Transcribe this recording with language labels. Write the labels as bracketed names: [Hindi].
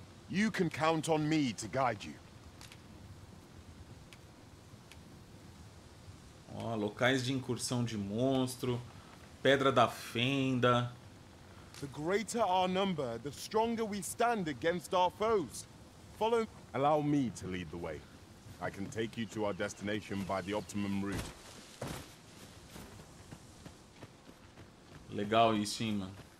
[English] You can count on me to guide you. [Portuguese] Ó, locais de incursão de monstro, Pedra da Fenda. [English] The greater our number, the stronger we stand against our foes. Follow. Allow me to lead the way. I can take you to our destination by the optimum route. [Portuguese] Legal isso, hein, mano.